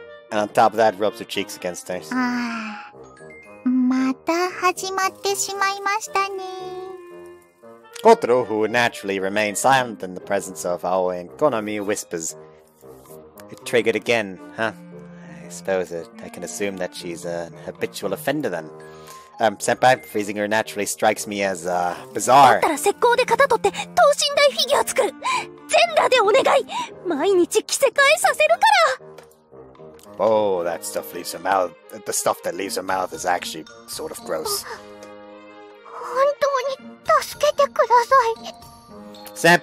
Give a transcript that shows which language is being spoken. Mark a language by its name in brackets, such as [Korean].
[English] And on top of that, rubs her cheeks against hers. [Japanese] また始まってしまいましたね。 [English] Kotaro, who naturally remains silent in the presence of Aoi and Konami, whispers. Triggered again, huh? I suppose I can assume that she's an habitual offender then. Senpai, freezing her naturally strikes me as, bizarre. [Japanese] だったら石膏で型取って等身大フィギュア作る。全裸でお願い。毎日着せ替えさせるから。 [English] Oh, that stuff leaves her mouth. The stuff that leaves her mouth is actually sort of gross. [Japanese] 本当に助けてください。